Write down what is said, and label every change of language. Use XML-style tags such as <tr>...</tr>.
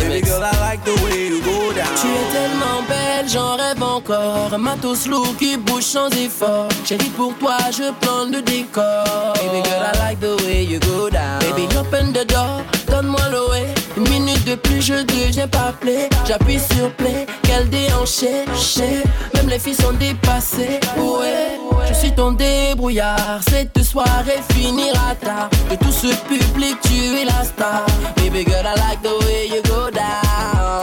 <en>Baby girl, I like the way you go down.</en> <fr>Tu es tellement belle, j'en rêve encore. Matos lourd qui bouge sans effort. Chérie, pour toi, je plante le décor.</fr> <en>Baby girl, I like the way you go down. Baby, open the door,</en> <fr>donne-moi le</fr> <en>way.</en> <fr>Une minute de plus, je deviens pas play. J'appuie sur play, qu'elle déhanchée. Même les filles sont dépassées, ouais. Je suis ton débrouillard, cette soirée finira tard. De tout ce public, tu es la star.</fr> <en>Baby girl, I like the way you go down.</en>